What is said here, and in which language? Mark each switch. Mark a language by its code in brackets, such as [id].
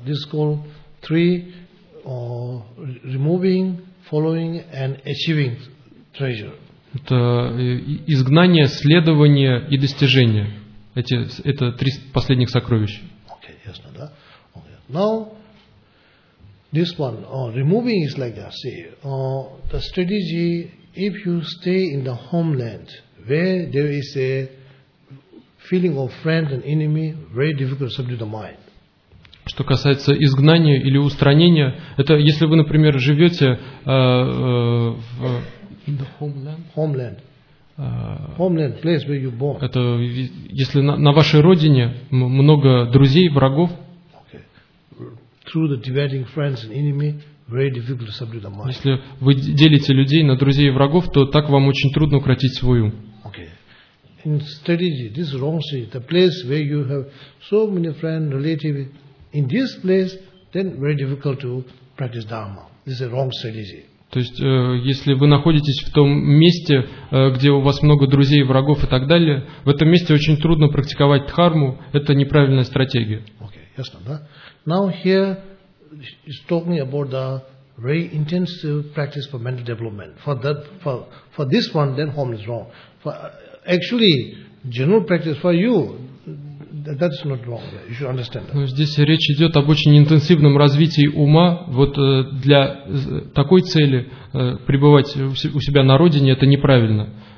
[en] This is called three, removing, following and achieving treasure. [ru] Это изгнание, следование и достижение. Это три последних сокровища. [en] Okay, [ru] ясно, да? [en] Okay. Now, this one, removing is like that. See, the strategy, if you stay in the homeland, where there is a feeling of friend and enemy, very difficult to subdue the mind. [ru] Что касается изгнания или устранения, это если вы, например, живете в... [en] In the homeland. Homeland. Homeland, place where you born. [ru] Это если на вашей родине много друзей, врагов. [en] Okay. Through the dividing friends and enemy, very difficult to subdue the mind. [ru] Если вы делите людей на друзей и врагов, то так вам очень трудно укротить свой ум. [en] Okay. In strategy, this wrong city, the place where you have so many friends, relatives, in this place, then very difficult to practice dharma. This is a wrong strategy. [ru] То есть, если вы находитесь в том месте, где у вас много друзей, врагов и так далее, в этом месте очень трудно практиковать дхарму, это неправильная стратегия. Okay, ясно, да? [en] Now here is talking about the very intensive practice for mental development. For this one, then home is wrong. For actually, general practice for you, that's not wrong. You should understand. [ru] Но здесь речь идет об очень интенсивном развитии ума. Вот для такой цели пребывать у себя на родине это неправильно.